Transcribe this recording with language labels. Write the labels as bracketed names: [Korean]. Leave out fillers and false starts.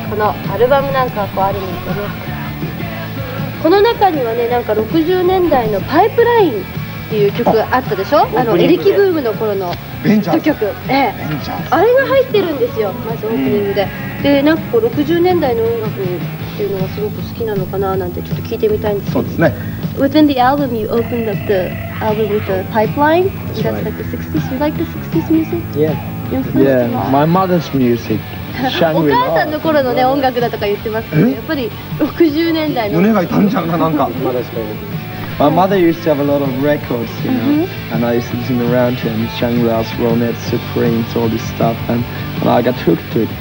[Japanese] このアルバムなんかこうあるんですよね。この中にはね、なんか60年代のパイプラインっていう曲があったでしょ。あのエレキブームの頃のヒット曲、あれが入ってるんですよ、まずオープニングで。で、なんかこう60年代の音楽っていうのがすごく好きなのかななんてちょっと聞いてみたいんですけど。そうですね。 [English] Within the album, you opened up the album with the pipeline. That's like the 60s. You like the 60s music? Yeah. Yeah, my mother's music. [Japanese] お母さんの頃の、ね、音楽だとか言ってますけど、やっぱり60年代の胸が痛んじゃうな、なんか。 [English] My mother used to have a lot of records, you know,、mm-hmm. and I used to listen around to them, Shangri-La's, Ronettes, Supremes, all this stuff, and I got hooked to it.